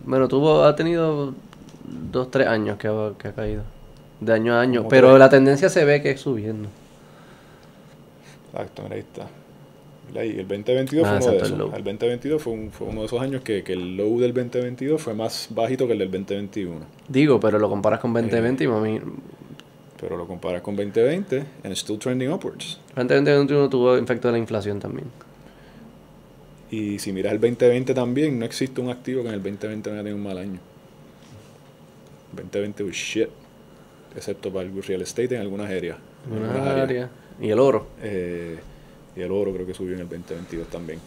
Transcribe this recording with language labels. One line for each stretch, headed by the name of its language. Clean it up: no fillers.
Spanish: Bueno, tuvo, ha tenido 2-3 años que ha caído. De año a año. Pero la tendencia se ve que es subiendo. Exacto, mira, ahí está. Y el 2022 fue uno de esos. El 2022 fue uno de esos años que el low del 2022 fue más bajito que el del 2021. Digo, pero lo comparas con 2020 y mami... Pero lo comparas con 2020
English: and it's still trending upwards.
Spanish: El 2021 tuvo efecto de la inflación también. Y si miras el 2020 también, no existe un activo que en el 2020 no haya tenido un mal año.
English: 2020 was shit.
Spanish: Excepto para el real estate en algunas áreas. Y el oro. Y el oro creo que subió en el 2022 también.